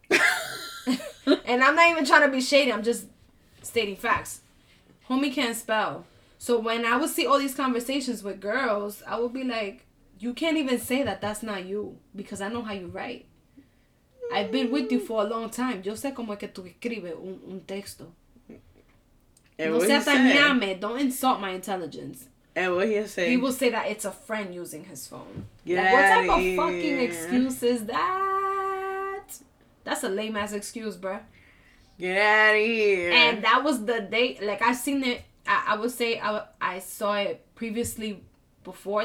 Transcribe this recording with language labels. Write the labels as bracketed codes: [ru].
[en] And I'm not even trying to be shady. I'm just stating facts. Homie can't spell. So when I would see all these conversations with girls, I would be like, you can't even say that that's not you, because I know how you write. I've been with you for a long time. [es] Yo sé cómo es que tú escribes un texto. No seas ñame. [en] Don't insult my intelligence. And what he'll say? He will say that it's a friend using his phone. Get like, what type of fucking excuse is that? That's a lame-ass excuse, bruh. Get out of here. And that was the date. Like, I've seen it. I would say I saw it previously before.